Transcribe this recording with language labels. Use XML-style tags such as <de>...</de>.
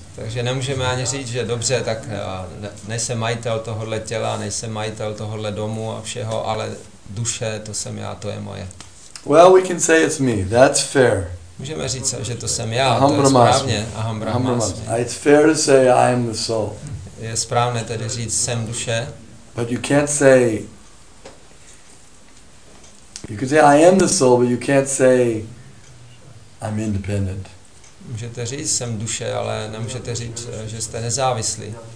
<cs>Takže nemůžeme ani říct, že dobře, tak nejsem majitel tohohle těla, nejsem majitel tohohle domu a všeho, ale duše, to jsem já, to je moje.</cs> <en>Well, we can say it's me. That's fair.</en> <cs>Můžeme říct, že to jsem já, to je správně.</cs> <en>It's fair to say I am the soul.</en> <cs>Je správné tedy říct, jsem duše.</cs> <en>But you can't say, you can say I am the soul, but you can't say I'm independent.</en> <cs>Můžete říct, jsem duše, ale nemůžete říct, že jste nezávislí.</cs>